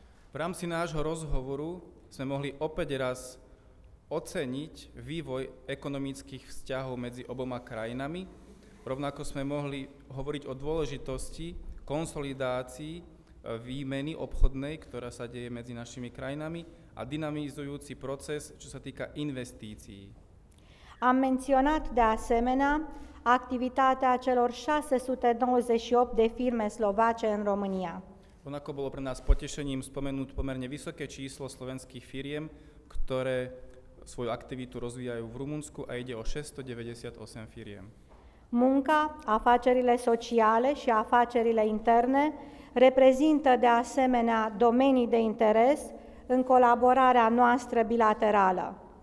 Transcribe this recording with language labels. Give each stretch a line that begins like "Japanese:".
Slovak: V rámci nášho rozhovoru sme mohli opäť raz oceniť vývoj ekonomických vzťahov medzi oboma krajinami. Rovnako sme mohli hovoriť o dôležitosti konsolidácii výmeny obchodnej, ktorá sa deje medzi našimi krajinami, a dynamizujúci proces, čo sa týka investícií.
Romanian: Am menționat de asemenea activitatea celor 698 de firme slovace în România.
Slovak: Onako bolo pre nás potešením spomenúť pomerne vysoké číslo slovenských firiem, ktoré svoju aktivitu rozvíjajú v Rumunsku, a ide o 698 firiem.
Romanian: Munca, afacerile sociale și afacerile interne reprezintă de asemenea domenii de interes în colaborarea noastră bilaterală.